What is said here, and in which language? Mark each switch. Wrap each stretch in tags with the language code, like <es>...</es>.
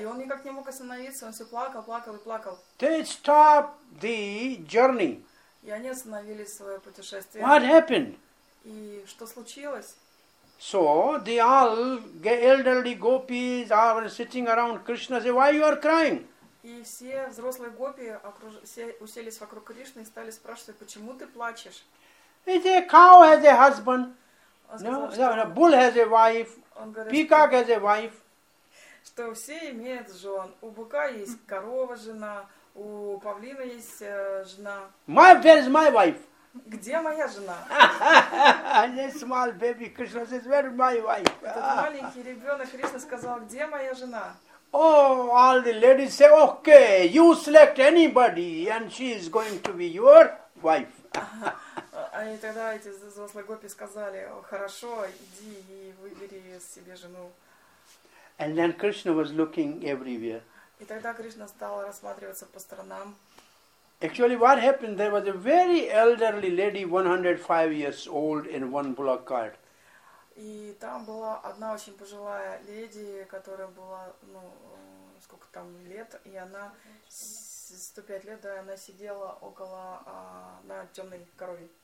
<ru>И он никак не мог остановиться, он все плакал.</ru> <en>They stopped the journey.</en> <ru>И они остановили свое путешествие.</ru> <en>What happened?</en> <ru>И что случилось?</ru> <en>So the all elderly gopis are sitting around Krishna, say, why you are crying?</en> <ru>И все взрослые гопи уселись вокруг Кришны и стали спрашивать, почему ты плачешь?</ru> <en>Is a cow has a husband?</en> <ru>Сказал,</ru> <en>no, bull has a wife.</en> <ru>Говорит,</ru> <en>peacock has a wife.</en> <ru>Что все имеют жен. У быка есть корова жена, у павлина есть жена.</ru> <en>My, where is my wife?</en> <ru>Где моя жена?</ru> <en>This small baby Krishna says, where is my wife?</en> <ru>Этот маленький ребенок Кришна сказал, где моя жена?</ru> <en>Oh, all the ladies say, okay, you select anybody and she is going to be your wife.</en> <ru>Они тогда эти взрослые гопи сказали, хорошо, иди и выбери себе жену.</ru> <en>And then Krishna was looking everywhere.</en> <ru>И тогда Кришна стала рассматриваться по сторонам.</ru> <en>Actually, what happened, there was a very elderly lady, 105 years old, in one bullock cart.</en> <ru>И там была одна очень пожилая леди, которая была, ну, сколько там лет, и она, 105 лет, да, она сидела около, на темной корове.</ru>